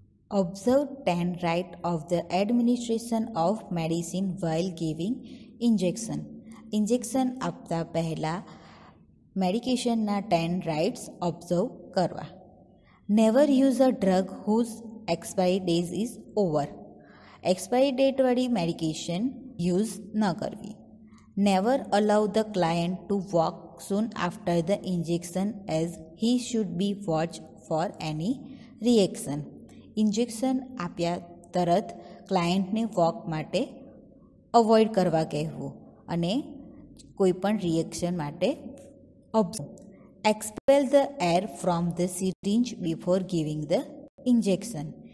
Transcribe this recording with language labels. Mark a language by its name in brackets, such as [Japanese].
[English] Observe ten right of the administration of medicine while giving injection. [Gujarati] Injection આપતા પહેલાં મેડિકેશનના 10 rights observe કરવા. [English] Never use a drug whose expiry days is over. [Gujarati] Expiry ડેટવાળી medication use ન કરવી. [English] Never allow the client to walk soon after the injection as he should be watched for any reaction. [Gujarati] Injection આપ્યા તરત ક્લાયન્ટને walk માટે avoid કરવા કહેવું અને કોઈ પણ રિએક્શન માટે observe. [English] Expel the air from the syringe before giving the injection.